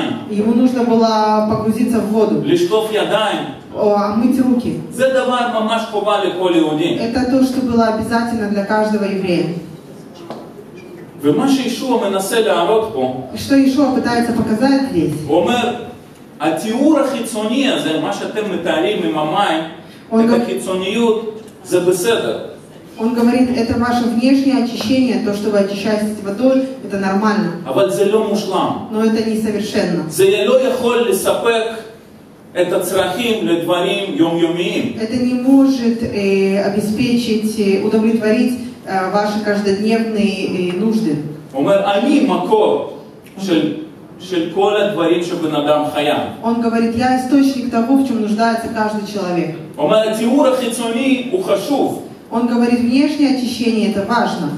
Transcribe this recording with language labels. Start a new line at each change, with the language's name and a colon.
Russian: Ему нужно было погрузиться в воду. Омыть руки. Это то, что было обязательно для каждого еврея. Что Иешуа пытается показать здесь?
Hebrew: התיאור החיצוני הזה, מה שאתם מתארים עם המים, את החיצוניות, זה בסדר.
Russian: Он говорит, это ваше внешнее очищение, то, что вы очищаете водой, это нормально.
Hebrew: אבל זה לא מושלם.
Russian: Но это не совершенно.
Hebrew: זה לא יכול לספק את הצרכים לדברים יומיומיים.
Russian: Это не может обеспечить, удовлетворить ваши каждодневные нужды.
Hebrew: אומר, אני מקור של... דברים,
Russian: он говорит, я источник того, в чем нуждается каждый человек. Он говорит, внешнее очищение это важно.